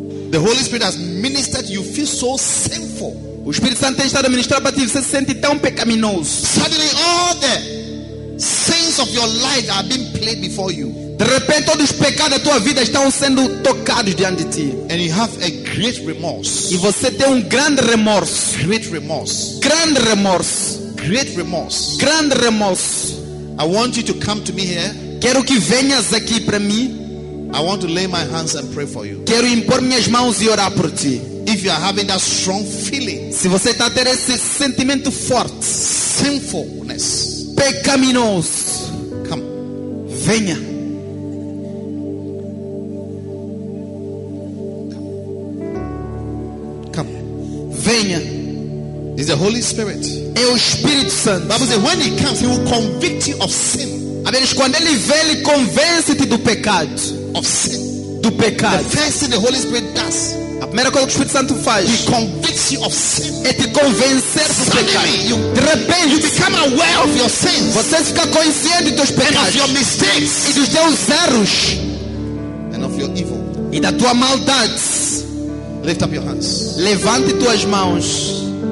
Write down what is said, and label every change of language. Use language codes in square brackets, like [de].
[en] The Holy Spirit has ministered, you feel so sinful. [pt] O Espírito Santo tem estado a ministrar para ti, você se sente tão pecaminoso. [en] Suddenly all the sins of your life are being played before you. [pt] De repente todos os pecados da tua vida estão sendo tocados diante de ti. [en] And you have a great remorse. [pt] E você tem grande remorso. [en] Great remorse. [pt] Grande remorso. [en] Great remorse. [pt] Grande remorso. [en] I want you to come to me here. [pt] Quero que venhas aqui para mim. [en] I want to lay my hands and pray for you. [pt] Quero impor minhas mãos e orar por ti. [en] If you are having that strong feeling. [pt] Se você está tendo esse sentimento forte. [en] Sinfulness. [pt] Pecaminoso. [en] Come. [pt] Venha. [en] Come. [pt] Venha. [en] It's the Holy Spirit. [pt] É o Espírito Santo. [en] The Bible says when he comes, he will convict you of sin. [pt] A Bíblia diz quando ele vem, ele convence-te do pecado. [en] Of sin. [pt] Do pecado. [en] The first thing the Holy Spirit does. [pt] A primeira coisa que o Espírito Santo faz, [en] he convicts you of sin. [pt] É te convencer do pecado. [en] You, [pt] de repente, [en] you become aware of your sins. [pt] Você fica consciente dos teus pecados. [en] And of your mistakes. [pt] E dos teus erros. [en] And of your evil. [pt] E da tua maldade. [en] Lift up your hands. [pt] Levante tuas mãos.